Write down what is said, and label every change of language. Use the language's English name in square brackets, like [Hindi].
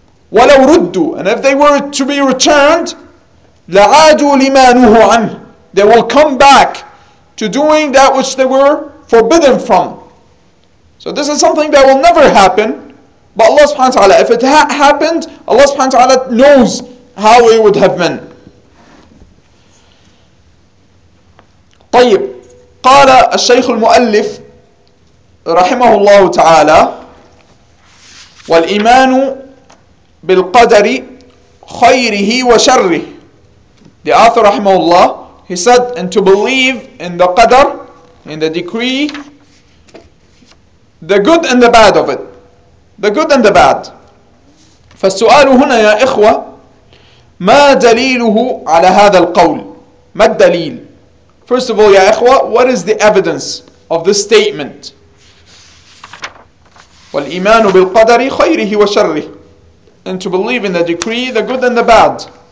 [Arabic] وَلَوْ رُدُّوا, [English] and if they were to be returned, [Arabic] لَعَادُوا لِمَا نُهُ عَنْهُ, [English] they will come back to doing that which they were forbidden from. So this is something that will never happen. But Allah subhanahu wa ta'ala, if it happened, Allah subhanahu wa ta'ala knows how it would have been. [Arabic] طيب, قال الشيخ المؤلف رحمه الله تعالى, والإيمان بالقدر خيره وشره. [English] The author رحمه الله, he said, and to believe in the qadr, in the decree, the good and the bad of it, the good and the bad. [Arabic] فالسؤال هنا يا إخوة, ما دليله على هذا القول؟ ما الدليل؟ [English] First of all, يا إخوة, what is the evidence of this statement? [Arabic] والإيمان بالقدر خيره وشره, [English] and to believe in the decree, the good and the bad.